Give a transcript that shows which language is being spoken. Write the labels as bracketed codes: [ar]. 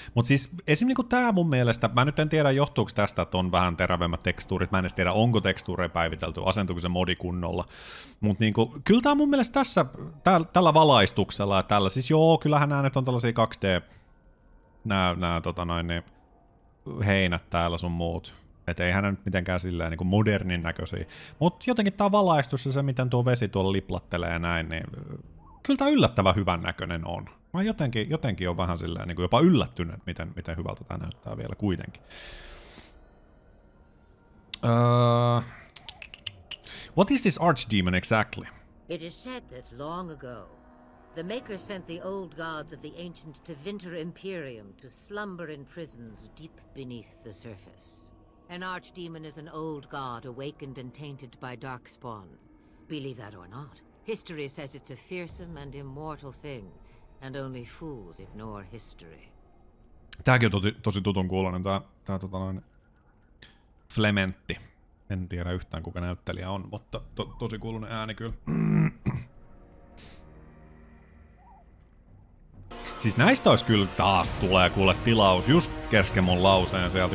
[fi] Mutta siis esimerkiksi niinku tämä mun mielestä, mä nyt en tiedä johtuuko tästä, että on vähän terävemmät tekstuurit, mä en edes tiedä onko tekstuureja päivitelty, asentuuko se modi kunnolla, mutta niinku, kyllä tämä mun mielestä tässä, tällä valaistuksella ja tällä, siis joo, kyllähän nämä nyt on tällaisia 2D, nämä heinät täällä sun muut, et eihän nyt mitenkään silleen niinku modernin näköisiä, mutta jotenkin tämä valaistus ja se, miten tuo vesi tuolla liplattelee ja näin, niin kyllä tämä yllättävän hyvän näköinen on. Mä jotenkin on vähän silleen niin kuin jopa yllättynyt, että miten hyvältä tämä näyttää vielä kuitenkin. [en] What is this archdemon exactly? It is said that long ago, the Maker sent the old gods of the ancient Tevinter Imperium to slumber in prisons deep beneath the surface. An archdemon is an old god awakened and tainted by darkspawn. Believe that or not, history says it's a fearsome and immortal thing. And only fools ignore history. [fi] Tääkin on tosi tutun kuulonen, tää Flementti. En tiedä yhtään, kuka näyttelijä on, mutta tosi kuulonen ääni kyllä. Siis näistä olisi kyllä taas tulee kuule tilaus just kesken mun lauseen sieltä.